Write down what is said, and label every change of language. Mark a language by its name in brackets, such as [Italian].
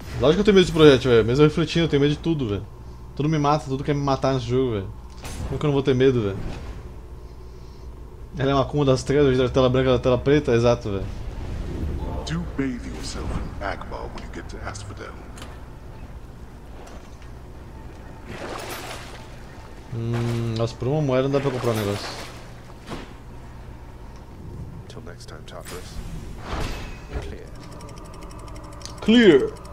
[Portuguese] Lógico que eu tenho medo desse projeto, velho. Mesmo refletindo, eu tenho medo de tudo, velho. Tudo me mata, tudo quer me matar nesse jogo, velho. Como que eu não vou ter medo, velho? Ela é uma cúmula das trevas, da tela branca da tela preta? Exato, velho. [English] Bathe yourself in magma when you get to Asphodel. [Portuguese] Nossa, por uma moeda não dá pra comprar um negócio. [English] Until next time, Tartarus. Clear. Clear!